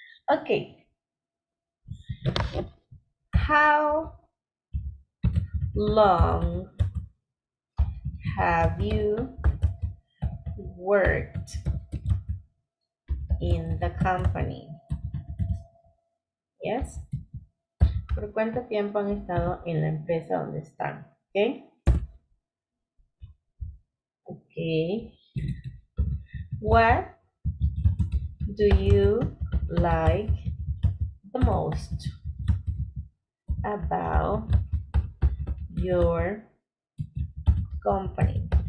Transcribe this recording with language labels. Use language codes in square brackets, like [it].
[en] Okay, how long have you worked in the company? Yes? [es] ¿Por cuánto tiempo han estado en la empresa donde están? [en] Okay, what do you like the most about your company?